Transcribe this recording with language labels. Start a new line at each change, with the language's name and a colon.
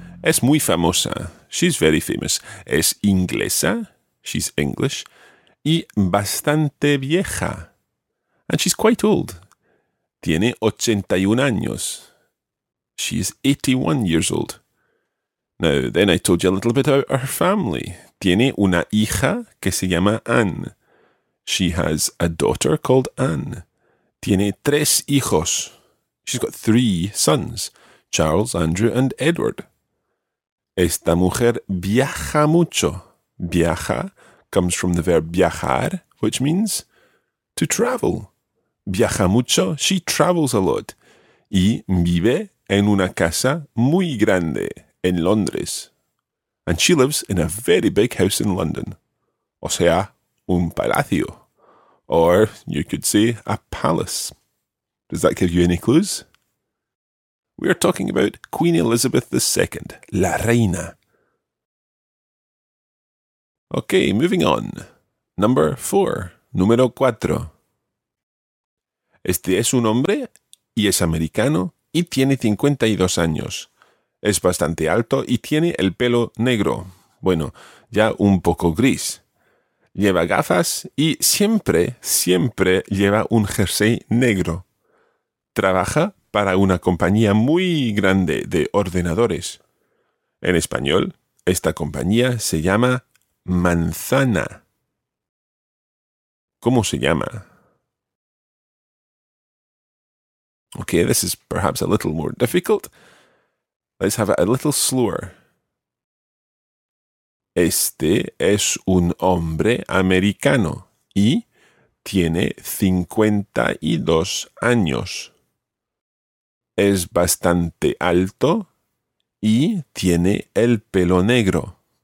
Spanish: Es muy famosa.
English: She's very famous.
Spanish: Es inglesa.
English: She's English.
Spanish: Y bastante vieja.
English: And she's quite old.
Spanish: Tiene 81 años.
English: She is 81 years old. Now, then I told you a little bit about her family.
Spanish: Tiene una hija que se llama Anne.
English: She has a daughter called Anne.
Spanish: Tiene tres hijos.
English: She's got three sons. Charles, Andrew and Edward.
Spanish: Esta mujer viaja mucho.
English: Viaja comes from the verb viajar, which means to travel.
Spanish: Viaja mucho,
English: she travels a lot.
Spanish: Y vive en una casa muy grande en Londres.
English: And she lives in a very big house in London.
Spanish: O sea, un palacio.
English: Or you could say a palace. Does that give you any clues? We are talking about Queen Elizabeth II, la reina. Okay, moving on. Number four,
Spanish: número cuatro. Este es un hombre y es americano y tiene 52 años. Es bastante alto y tiene el pelo negro. Bueno, ya un poco gris. Lleva gafas y siempre, siempre lleva un jersey negro. Trabaja para una compañía muy grande de ordenadores. En español, esta compañía se llama Manzana. ¿Cómo se llama?
English: Okay, this is perhaps a little more difficult. Let's have it a little slower.
Spanish: Este es un hombre americano y tiene 52 años. Es bastante alto y tiene el pelo negro.